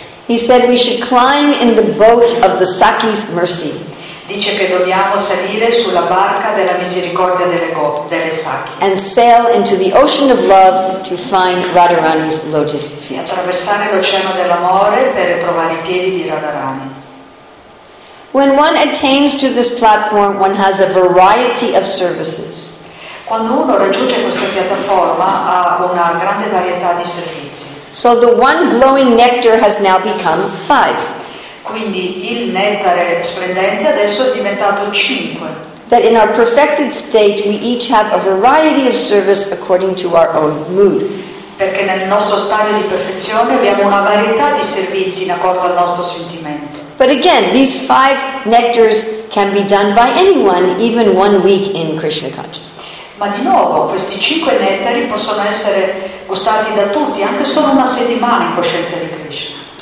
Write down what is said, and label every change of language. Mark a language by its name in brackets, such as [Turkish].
[English] He said we should climb in the boat of the Sakhi's mercy. [Italian] Dice che dobbiamo salire sulla barca della misericordia delle Sakhi. [English] And sail into the ocean of love to find Radharani's lotus feet. [Italian] Attraversare l'oceano dell'amore per trovare i piedi di Radharani. [English] When one attains to this platform, one has a variety of services. [Italian] Quando uno raggiunge questa piattaforma, ha una grande varietà di servizi. [English] So the one glowing nectar has now become five. [Italian] Quindi il nettare splendente adesso è diventato cinque. [English] That in our perfected state, we each have a variety of service according to our own mood. [Italian] Perché nel nostro stato di perfezione abbiamo una varietà di servizi in accordo al nostro sentimento. [English] But again, these five nectars can be done by anyone, even one week in Krishna consciousness. [Italian] Ma di nuovo, questi cinque nettari possono essere gustati da tutti, anche solo una settimana in coscienza di Krishna.